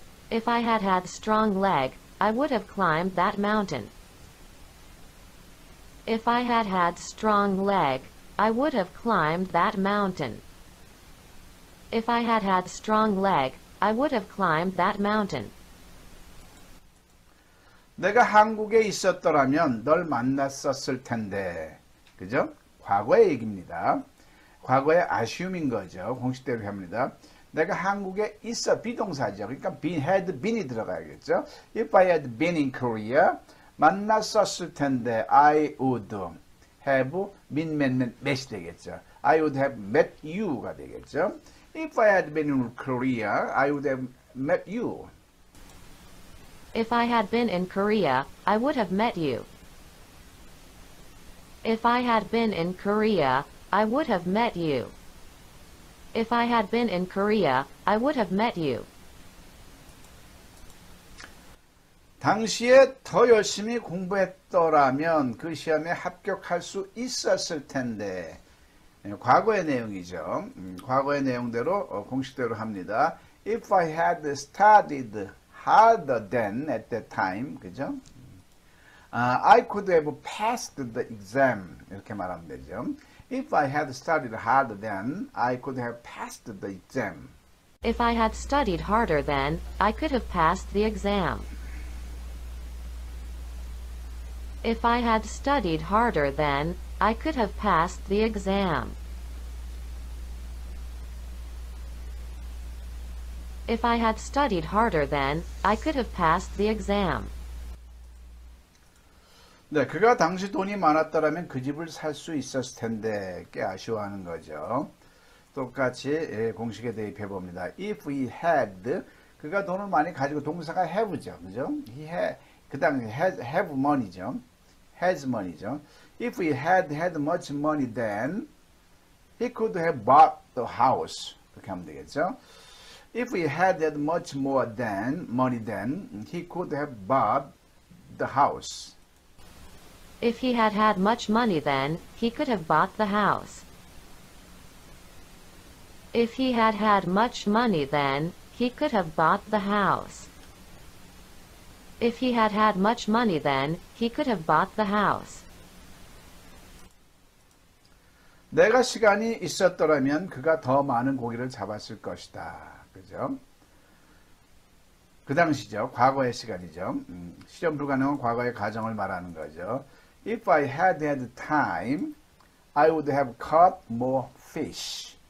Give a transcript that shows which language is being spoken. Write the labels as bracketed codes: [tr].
[en] If I had had strong leg, I would have climbed that mountain. If I had had strong leg, I would have climbed that mountain. If I had had strong leg, I would have climbed that mountain. [ko] 내가 한국에 있었더라면 널 만났었을 텐데. 그죠? 과거의 얘기입니다. 과거의 아쉬움인 거죠. 공식대로 합니다. 내가 한국에 있어. be 동사죠. 그러니까 been, had been이 들어가야겠죠. [en] If I had been in Korea, [ko] 만났었을 텐데. [en] I would have been met이 [ko] 되겠죠. [en] I would have met you가 [ko] 되겠죠. [en] If I had been in Korea, I would have met you. If I had been in Korea, I would have met you. If I had been in Korea, I would have met you. If I had been in Korea, I would have met you. [ko] 당시에 더 열심히 공부했더라면 그 시험에 합격할 수 있었을 텐데. 과거의 내용이죠. 과거의 내용대로 공식대로 합니다. [en] If I had studied harder than at that time, [ko] 그죠? [en] I could have passed the exam. [ko] 이렇게 말하면 되죠. [en] If I had studied harder than, I could have passed the exam. If I had studied harder, then I could have passed the exam. If I had studied harder, then I could have passed the exam. If I had studied harder, then I could have passed the exam. [ko] 네, 그가 당시 돈이 많았더라면 그 집을 살수 있었을 텐데, 꽤 아쉬워하는 거죠. 똑같이 공식에 대입해 봅니다. [en] If he had, [ko] 그가 돈을 많이 가지고, 동사가 have죠, 그죠? [en] He had, [ko] 그 당시 [en] have money죠. Has money죠. If he had much money, then he could have bought the house. [ko] 이렇게 하면 되겠죠. [en] If he had much more than money, then he could have bought the house. If he had had much money, then he could have bought the house. If he had had much money, then he could have bought the house. If he had had much money, then he could have bought the house. [ko] 내가 시간이 있었더라면 그가 더 많은 고기를 잡았을 것이다. 그죠? 그 당시죠. 과거의 시간이죠. 실현 불가능한 과거의 가정을 말하는 거죠. [en] If I had time, I would have caught more fish.